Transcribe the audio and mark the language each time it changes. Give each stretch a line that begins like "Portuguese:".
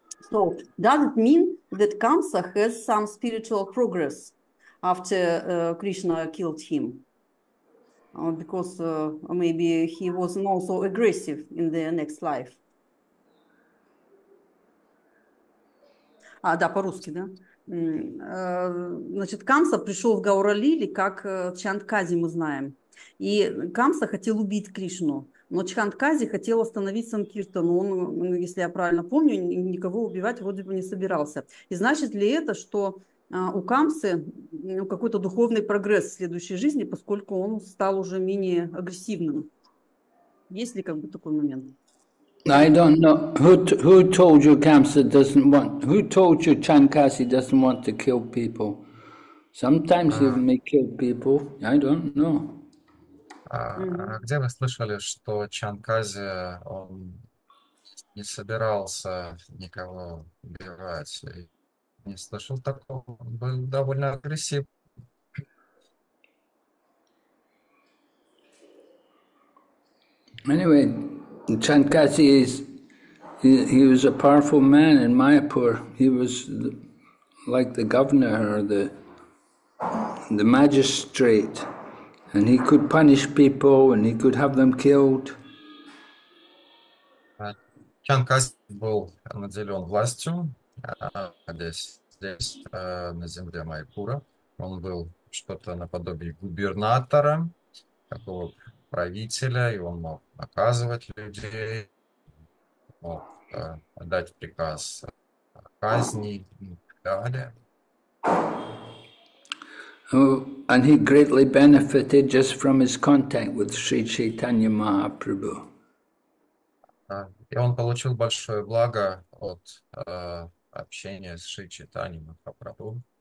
English: So, does it mean that Kamsa has some spiritual progress after Krishna killed him? Because maybe he wasn't also aggressive in the next life.
Russian: А, да, по-русски, да? Значит, Камса пришел в Гауралили, как Чандкази, мы знаем. И Камса хотел убить Кришну. Но Чханкази хотел остановить Санкиртану. Он, если я правильно помню, никого убивать вроде бы не собирался. И значит ли это, что у Камсы какой-то духовный прогресс в следующей жизни, поскольку он стал уже менее агрессивным? Есть ли как бы такой момент?
English: I don't know who told you Kamsa doesn't want. Who told you Chankasi doesn't want to kill people? Sometimes he may kill people. I don't know.
Russian: А где вы слышали, что Чанкази он не собирался никого убивать? Я не слышал такого. Он был довольно агрессивным.
English: Anyway. Chankasi he was a powerful man in Mayapur. He was like the governor or the magistrate, and he could punish people and he could have them killed.
Russian: Чанкас был наделен властью здесь на земле Майпура. Он был что-то наподобие губернатора, такого правителя, и он мог наказывать людей, мог дать приказ о казни и так далее.
English: And he greatly benefited just from his contact with Sri Chaitanya Mahaprabhu.
Russian: И он получил большое благо от общения с Шри Чайтаньей Махапрабху.